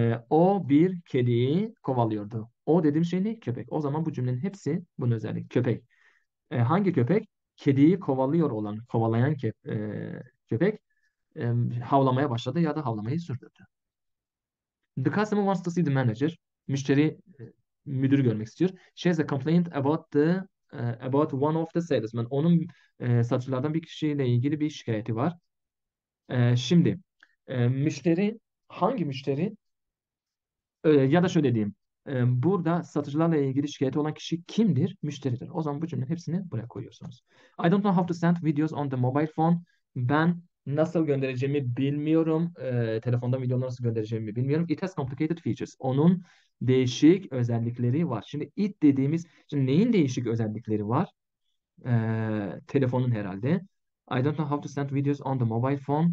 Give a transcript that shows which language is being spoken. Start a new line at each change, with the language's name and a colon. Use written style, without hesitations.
Turkish: O bir kediyi kovalıyordu. O dediğim şey ne? Köpek. O zaman bu cümlenin hepsi bunun özelliği. Köpek. Hangi köpek? Kediyi kovalıyor olan, kovalayan köpek havlamaya başladı ya da havlamayı sürdürdü.
English: The customer wants to see the manager.
Turkish: Müşteri müdür görmek istiyor.
English: She has a complaint about one of the salesmen.
Turkish: Onun satıcılardan bir kişiyle ilgili bir şikayeti var. Şimdi müşteri hangi müşteri? Ya da şöyle diyeyim. Burada satıcılarla ilgili şikayeti olan kişi kimdir? Müşteridir. O zaman bu cümlenin hepsini buraya koyuyorsunuz.
English: I don't know how to send videos on the mobile phone.
Turkish: Ben nasıl göndereceğimi bilmiyorum. Telefonda videoları nasıl göndereceğimi bilmiyorum.
English: It has complicated features.
Turkish: Onun değişik özellikleri var. Şimdi it dediğimiz, şimdi neyin değişik özellikleri var? Telefonun herhalde.
English: I don't know how to send videos on the mobile phone.